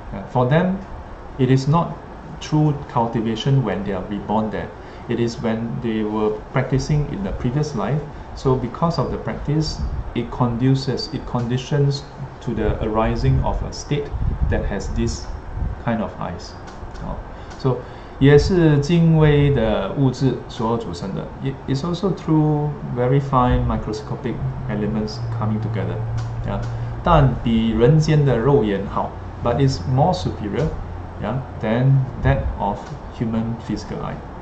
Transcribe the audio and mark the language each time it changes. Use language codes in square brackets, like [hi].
[en] For them, it is not through cultivation when they are reborn there. It is when they were practicing in the previous life. So because of the practice, it conditions to the arising of a state that has this kind of eyes. [zh] So 也是精微的物质所组成的. [en] It's also through very fine microscopic elements coming together. Yeah, [zh] 但比人间的肉眼好, [en] but it's more superior, yeah, than that of human physical eye.